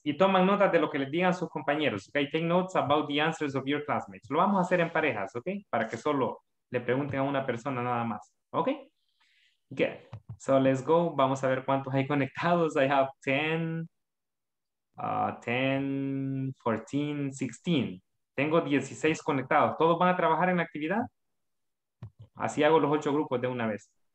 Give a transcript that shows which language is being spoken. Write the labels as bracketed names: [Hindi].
[Spanish] Y toman notas de lo que les digan sus compañeros, okay? [English] Take notes about the answers of your classmates. [Spanish] Lo vamos a hacer en parejas, okay? Para que solo le pregunten a una persona nada más, okay? Okay, [English] so let's go. [Spanish] Vamos a ver cuántos hay conectados. [English] I have 10, 10, 14, 16. [Spanish] Tengo 16 conectados. ¿Todos van a trabajar en la actividad? Así hago los 8 grupos de una vez.